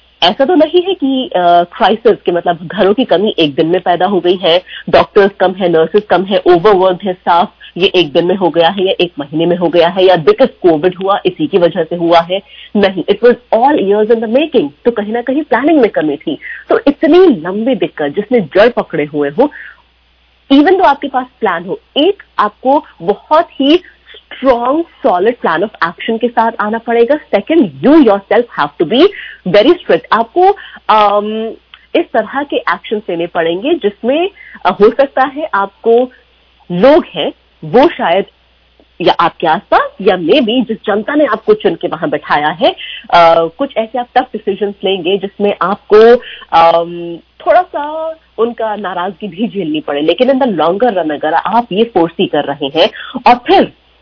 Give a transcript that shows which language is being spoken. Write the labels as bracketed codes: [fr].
[hi] ऐसा तो नहीं है कि क्राइसिस के मतलब घरों की कमी एक दिन में पैदा हो गई है, डॉक्टर्स कम है, नर्सेस कम है, ओवरवर्क है स्टाफ, ये एक दिन में हो गया है या एक महीने में हो गया है या बिकॉज कोविड हुआ इसी की वजह से हुआ है. नहीं, [en] It was all years in the making. [hi] तो कहीं ना कहीं प्लानिंग में कमी थी. तो इतनी लंबी दिक्कत जिसने जड़ पकड़े हुए हो, इवन तो आपके पास प्लान हो, एक आपको बहुत ही [en] strong, solid plan of action [hi] के साथ आना पड़ेगा. [en] Second, you yourself have to be very strict. [hi] आपको इस तरह के action लेने पड़ेंगे जिसमें हो सकता है आपको लोग हैं वो शायद या आपके आसपास या [en] maybe [hi] जिस जनता ने आपको चुन के वहां बैठाया है, कुछ ऐसे आप [en] tough decisions [hi] लेंगे जिसमें आपको थोड़ा सा उनका नाराजगी भी झेलनी पड़े, लेकिन [en] in the longer run [hi] अगर आप ये फोर्सी कर रहे हैं और फिर